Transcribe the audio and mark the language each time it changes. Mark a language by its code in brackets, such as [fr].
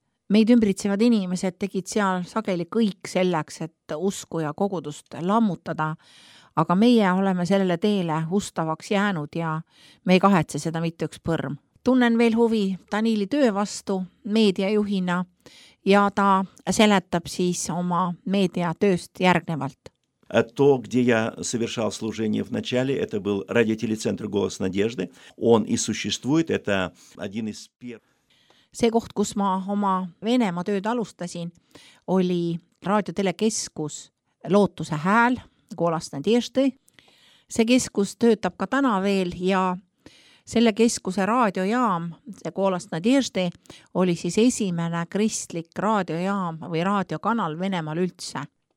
[et] Meid ümbritsevad inimesed tegid seal sageli kõik selleks, et usku ja kogudust lammutada, aga meie oleme sellele teele ustavaks jäänud ja me ei kahetse seda mitte üks põrm. Tunnen veel huvi Danieli töö vastu meediajuhina ja ta seletab siis oma meediatööst järgnevalt. [ru] То, где я совершал служение в начале, это был радиотелецентр «Голос надежды». Он и существует, это один из первых. [et] See koht, kus ma oma Venema tööd alustasin, oli raadiotelekeskus Lootuse hääl, «Голос надежды». See keskus töötab ka täna veel ja selle keskuse raadiojaam, see «Голос надежды», oli siis esimene kristlik raadiojaam või raadiokanal Venemal üldse.